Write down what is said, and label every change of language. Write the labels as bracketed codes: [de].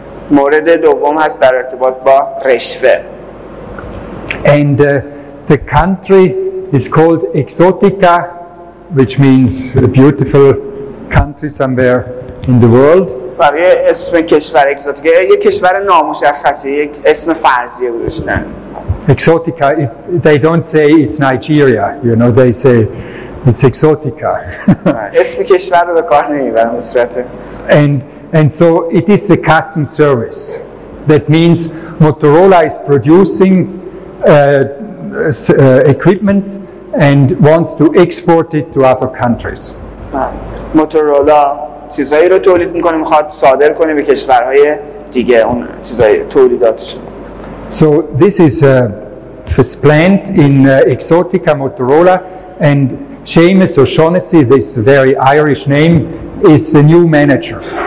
[fa] مورد دوم هست در ارتباط با رشوه. [en] And the country is called Exotica, which means a beautiful country somewhere in the world. [fa] برای اسم کشور اکزوتیکا، یک کشور نامشخصی، یک اسم فرضیه گذاشتن. [en] Exotica, they don't say it's Nigeria, you know, they say it's Exotica. [fa] اسم کشور رو به کار نمیبرم به صورت. [en] And so it is the customs service. That means Motorola is producing equipment and wants to export it to other countries. [fa] موتورولا چیزایی رو تولید می‌کنه می‌خواد صادر کنه به کشورهای دیگه اون چیزای تولیداتش. [en] So this is a first plant in Exotica Motorola, and Seamus O'Shaughnessy, this very Irish name, is the new manager.